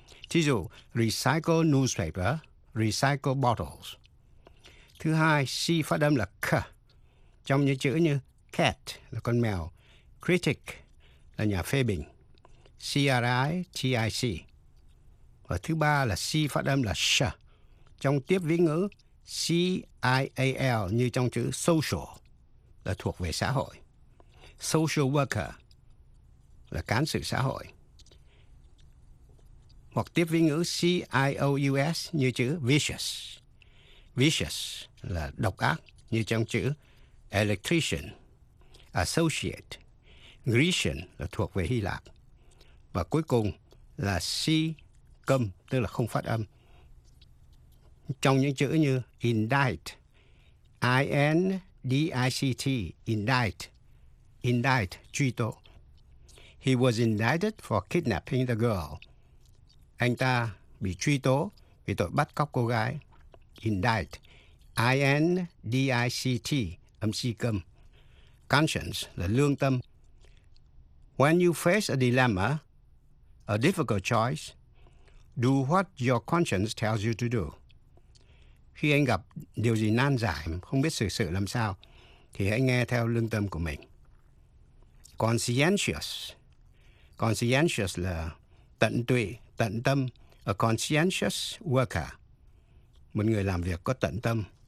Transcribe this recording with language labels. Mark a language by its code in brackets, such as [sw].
[vi] Thí dụ, [en] recycle newspaper, recycle bottles. [vi] Thứ hai, C phát âm là K, trong những chữ như cat là con mèo, critic là nhà phê bình. C-R-I-T-I-C. Và thứ ba là C phát âm là sh, trong tiếp vĩ ngữ C-I-A-L, như trong chữ social, là thuộc về xã hội. Social worker là cán sự xã hội. Hoặc tiếp vĩ ngữ C-I-O-U-S như chữ vicious. Vicious là độc ác, như trong chữ electrician, associate. Grecian là thuộc về Hy Lạp. Và cuối cùng là C câm, tức là không phát âm, trong những chữ như indict, I-N-D-I-C-T, indict, indict, truy tố. [en] He was indicted for kidnapping the girl. [vi] Anh ta bị truy tố vì tội bắt cóc cô gái. Indict, I-N-D-I-C-T, âm C câm. Conscience là lương tâm. [en] When you face a dilemma, a difficult choice, do what your conscience tells you to do. [vi] Khi anh gặp điều gì nan giải, không biết xử sự làm sao, thì hãy nghe theo lương tâm của mình. Conscientious. Conscientious là tận tụy, tận tâm. [en] A conscientious worker. [vi] Một người làm việc có tận tâm.